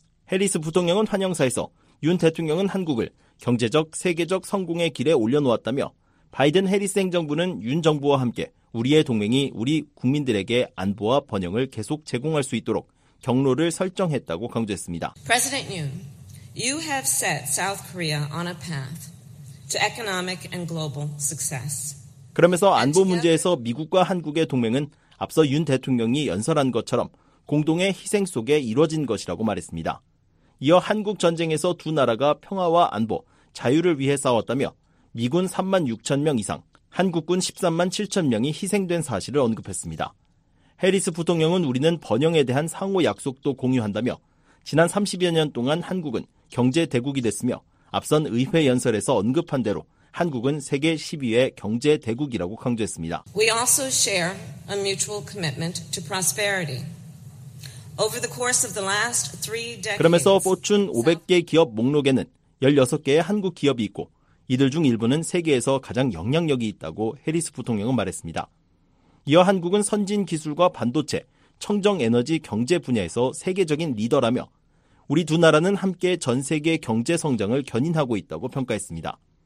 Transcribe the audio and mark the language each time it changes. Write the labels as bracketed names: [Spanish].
[Korean] 해리스 부통령은 환영사에서 윤 대통령은 한국을 경제적, 세계적 성공의 길에 올려놓았다며 바이든 해리스 행정부는 윤 정부와 함께 우리의 동맹이 우리 국민들에게 안보와 번영을 계속 제공할 수 있도록 경로를 설정했다고 강조했습니다. [English] President Yoon, you have set South Korea on a path to economic and global success. [Korean] 그러면서 안보 문제에서 미국과 한국의 동맹은 앞서 윤 대통령이 연설한 것처럼 공동의 희생 속에 이뤄진 것이라고 말했습니다. 이어 한국 전쟁에서 두 나라가 평화와 안보, 자유를 위해 싸웠다며 미군 3만 6천 명 이상, 한국군 13만 7천 명이 희생된 사실을 언급했습니다. 해리스 부통령은 우리는 번영에 대한 상호 약속도 공유한다며 지난 30여 년 동안 한국은 경제 대국이 됐으며 앞선 의회 연설에서 언급한 대로 한국은 세계 10위의 경제 대국이라고 강조했습니다. [English] We also share a mutual commitment to prosperity. Over the course of the last three decades, [Korean] 그러면서 포춘 500개 기업 목록에는 16개의 한국 기업이 있고 이들 중 일부는 세계에서 가장 영향력이 있다고 해리스 부통령은 말했습니다. 이어 한국은 선진 기술과 반도체, 청정 에너지 경제 분야에서 세계적인 리더라며 우리 두 나라는 함께 전 세계 경제 성장을 견인하고 있다고 평가했습니다.